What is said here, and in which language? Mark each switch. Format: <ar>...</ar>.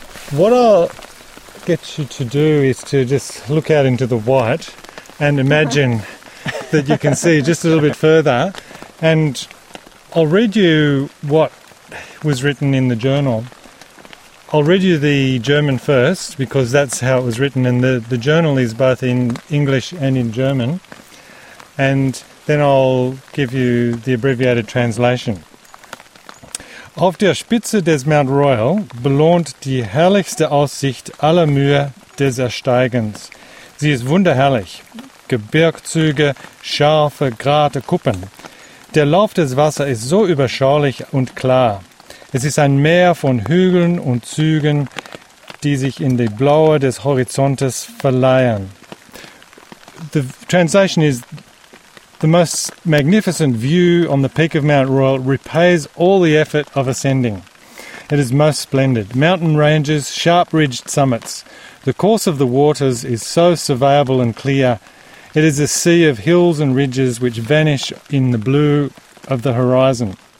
<en>What I'll get you to do is to just look out into the white and imagine that you can see just a little bit further, and I'll read you what was written in the journal. I'll read you the German first, because that's how it was written, and the journal is both in English and in German, and then I'll give you the abbreviated translation.</en> <de>Auf der Spitze des Mount Royal belohnt die herrlichste Aussicht aller Mühe des Ersteigens. Sie ist wunderherrlich. Gebirgszüge, scharfe, gerade Kuppen. Der Lauf des Wassers ist so überschaulich und klar. Es ist ein Meer von Hügeln und Zügen, die sich in die Blaue des Horizontes verleihen.</de> <en>The translation is, the most magnificent view on the peak of Mount Royal repays all the effort of ascending. It is most splendid. Mountain ranges, sharp-ridged summits. The course of the waters is so surveyable and clear. It is a sea of hills and ridges which vanish in the blue of the horizon.</en>